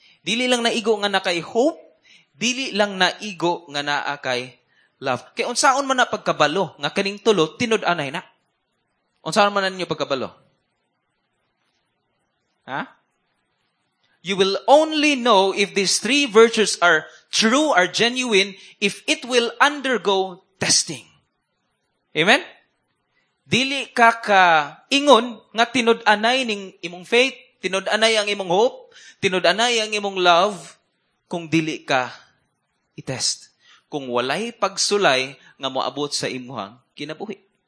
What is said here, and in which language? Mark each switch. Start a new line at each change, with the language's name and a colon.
Cebuano: Dili lang naigo nga nakay hope. Dili lang naigo nga naakay love. Kaya unsaon man na pagkabalo, nga kaning tulo, tinud-anay na. Unsa man ninyo pagkabalo? Ha? Huh?
English: You will only know if these three virtues are true or genuine if it will undergo testing. Amen?
Cebuano: Dili ka ingon nga tinud-anay ning imong faith, tinud-anay ang imong hope, tinud-anay ang imong love kung dili ka i-test. Kung walay pagsulay nga moabot sa imuhang kinabuhi.